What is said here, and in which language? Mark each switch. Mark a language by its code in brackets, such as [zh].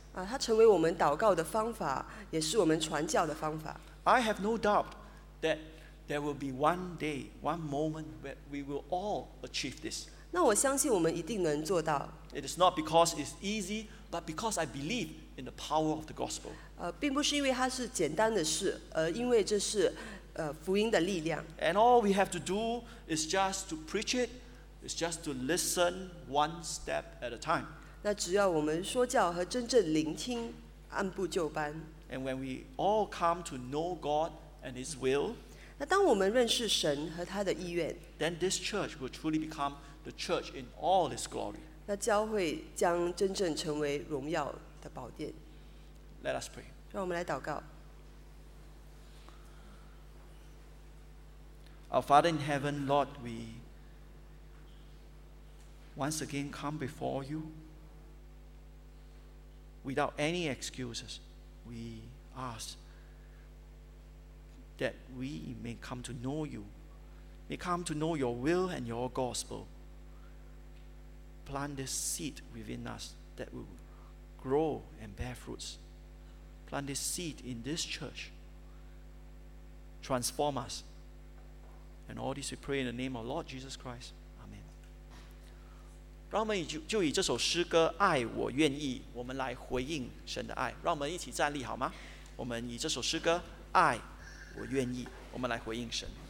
[zh] 它成为我们祷告的方法，也是我们传教的方法。 [en] I have no doubt that there will be one day, one moment where we will all achieve this. [zh] 那我相信我们一定能做到。 [en] It is not because it's easy,but because I believe in the power of the gospel. [zh] 并不是因为它是简单的事，而因为这是福音的力量。 [en] And all we have to do is just to preach it, is just to listen one step at a time. [zh] 那只要我们说教和真正聆听，按部就班。 [en] And when we all come to know God and His will, [zh] 那当我们认识神和他的意愿， [en] then this church will truly become the church in all its glory. [zh] 那教会将真正成为荣耀的宝殿。 [en] Let us pray. [zh] 让我们来祷告。 [en] Our Father in heaven, Lord, we once again come before you without any excuses. We ask that we may come to know you, may come to know your will and your gospel. Plant this seed within us that will grow and bear fruits. Plant this seed in this church. Transform us. And all this we pray in the name of Lord Jesus Christ. Amen. [zh] 让我们就以这首诗歌《爱我愿意》，我们来回应神的爱。让我们一起站立好吗？我们以这首诗歌《爱我愿意》，我们来回应神。